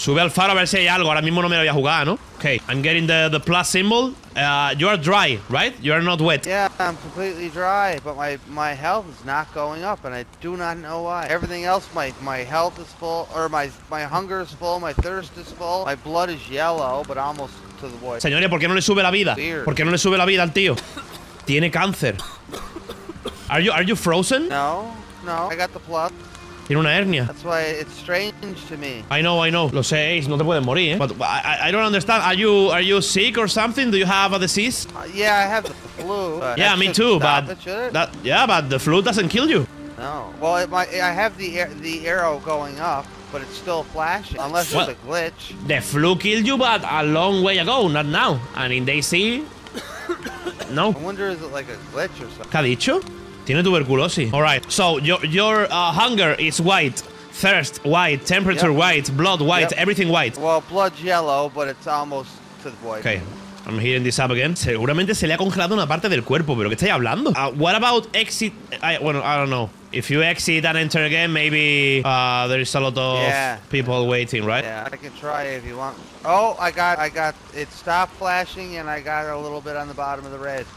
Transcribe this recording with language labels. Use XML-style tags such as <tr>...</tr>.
<es>Sube al faro a ver si hay algo. Ahora mismo no me lo voy a jugar, ¿no?</es> <en>Okay, I'm getting the plus symbol. You are dry, right? You are not wet. Yeah, I'm completely dry, but my health is not going up, and I do not know why. Everything else, my health is full, or my hunger is full, my thirst is full. My blood is yellow, but almost to the void.</en> <es>Señores, ¿por qué no le sube la vida?</es> <en>Weird.</en> <es>¿Por qué no le sube la vida al tío? Tiene cáncer.</es> <en>Are you frozen? No, I got the plus.</en> <es>Tiene una hernia.</es> <en>That's why it's strange to me. I know.</en> <es>Lo sé, Ace, no te puedes morir, eh.</es> <en>But I don't understand. Are you sick or something? Do you have a disease? Yeah, I have the flu. Yeah, me too, but but the flu doesn't kill you. No. Well, I have the arrow going up, but it's still flashing. Unless it's a glitch. The flu killed you, but a long way ago, not now. And in DC, no. I wonder, is it like a glitch or something?</en> <es>¿Qué ha dicho? Tiene tuberculosis.</es> <en>All right. So your hunger is white, thirst white, temperature white, blood white, everything white. Well, blood yellow, but it's almost to the void. Okay. I'm heating this up again.</en> <es>Seguramente se le ha congelado una parte del cuerpo, pero ¿qué estáis hablando?</es> <en>What about exit? I don't know. If you exit and enter again, maybe there is a lot of people waiting, right? Yeah, I can try if you want. Oh, I got it stopped flashing and I got a little bit on the bottom of the red.</en>